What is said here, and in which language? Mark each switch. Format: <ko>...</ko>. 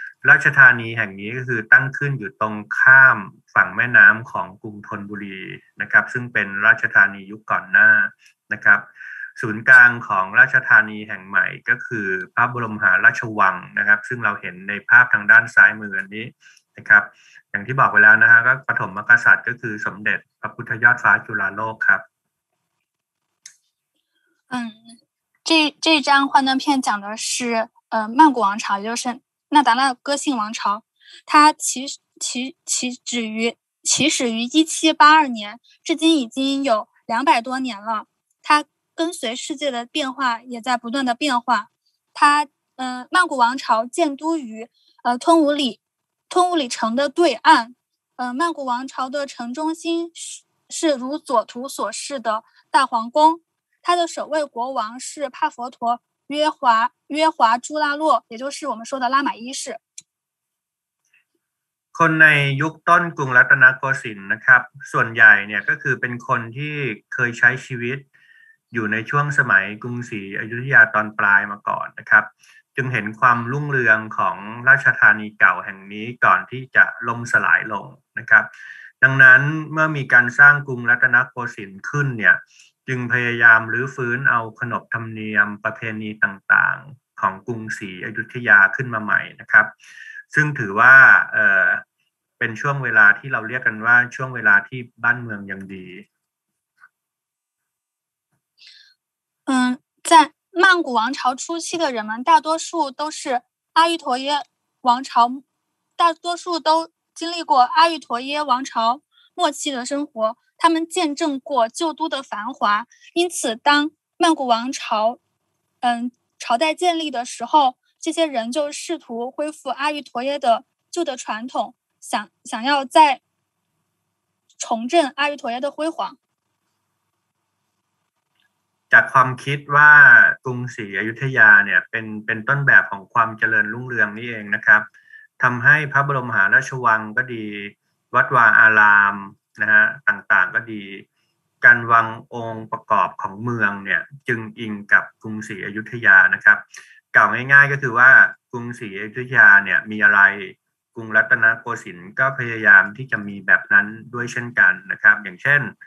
<th>ราชธานีแห่งนี้ก็คือตั้งขึ้นอยู่ตรงข้ามฝั่งแม่น้ำของกรุงธนบุรีนะครับซึ่งเป็นราชธานียุคก่อนหน้านะครับศูนย์กลางของราชธานีแห่งใหม่ก็คือพระบรมมหาราชวังนะครับซึ่งเราเห็นในภาพทางด้านซ้ายมือนี้นะครับอย่างที่บอกไปแล้วนะฮะก็ปฐมกษัตริย์ก็คือสมเด็จพระพุทธยอดฟ้าจุฬาโลกครับ</th> <zh>这张幻灯片讲的是曼谷王朝，也就是那达那歌姓王朝，它起始于1782年，至今已经有200多年了。它跟随世界的变化，也在不断的变化。它曼谷王朝建都于吞武里城的对岸。曼谷王朝的城中心是如左图所示的大皇宫。他的首位国王是帕佛陀约华朱拉洛，也就是我们说的拉玛一世。</zh> <th>คนในยุคต้นกรุงรัตนโกสินทร์นะครับส่วนใหญ่เนี่ยก็คือเป็นคนที่เคยใช้ชีวิตอยู่ในช่วงสมัยกรุงศรีอยุธยาตอนปลายมาก่อนนะครับจึงเห็นความรุ่งเรืองของราชธานีเก่าแห่งนี้ก่อนที่จะล่มสลายลงนะครับ ดังนั้นเมื่อมีการสร้างกรุงรัตนโกสินทร์ขึ้นเนี่ยจึงพยายามรื้อฟื้นเอาขนบธรรมเนียมประเพณีต่างๆของกรุงศรีอยุธยาขึ้นมาใหม่นะครับซึ่งถือว่า เป็นช่วงเวลาที่เราเรียกกันว่าช่วงเวลาที่บ้านเมืองยังดี</th> <zh>在曼谷王朝初期的人们大多数都是阿育陀耶王朝大多数都经历过阿育陀耶王朝末期的生活他们见证过旧都的繁华因此当曼谷王朝朝代建立的时候这些人就试图恢复阿育陀耶的旧的传统想要再重振阿育陀耶的辉煌</zh> <th>จากความคิดว่ากรุงศรีอยุธยาเนี่ยเป็นต้นแบบของความเจริญรุ่งเรืองนี่เองนะครับทำให้พระบรมมหาราชวังก็ดีวัดวาอารามนะฮะต่างๆก็ดีการวางองค์ประกอบของเมืองเนี่ยจึงอิงกับกรุงศรีอยุธยานะครับกล่าวง่ายๆก็คือว่ากรุงศรีอยุธยาเนี่ยมีอะไรกรุงรัตนโกสินทร์ก็พยายามที่จะมีแบบนั้นด้วยเช่นกันนะครับอย่างเช่น</th>